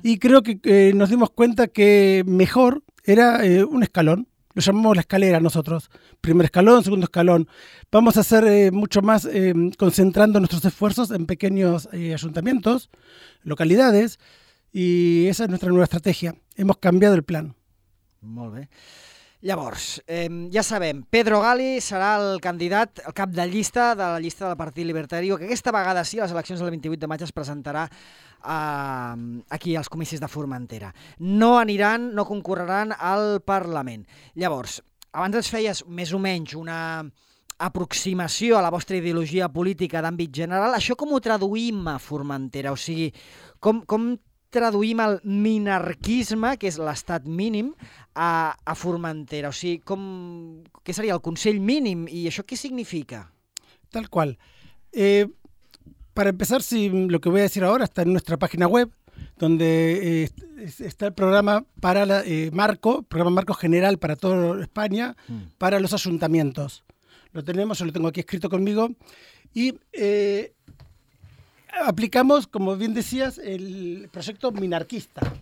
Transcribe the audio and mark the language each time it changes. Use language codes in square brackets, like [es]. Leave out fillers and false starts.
[es] Y creo que nos dimos cuenta que mejor era un escalón. Lo llamamos la escalera nosotros. Primer escalón, segundo escalón. Vamos a hacer mucho más concentrando nuestros esfuerzos en pequeños ayuntamientos, localidades. Y esa es nuestra nueva estrategia. Hemos cambiado el plan. [ca] Molt bé. Llavors, ja sabem, Pedro Gali serà el candidat, el cap de llista de la llista del Partit Libertari, que aquesta vegada sí, a les eleccions del 28 de maig es presentarà aquí als comicis de Formentera. No aniran, no concorreran al Parlament. Llavors, abans ens feies més o menys una aproximació a la vostra ideologia política d'àmbit general. Això com ho traduïm a Formentera? O sigui, com traduïm el minarquisme, que és l'estat mínim, a Formentera? O sigui, què seria el Consell Mínim i això què significa? Tal qual. [es] Para empezar, si lo que voy a decir ahora está en nuestra página web, donde está el programa para programa Marco General para toda España, para los ayuntamientos. Lo tenemos, yo lo tengo aquí escrito conmigo. Y aplicamos, como bien decías, el proyecto minarquista.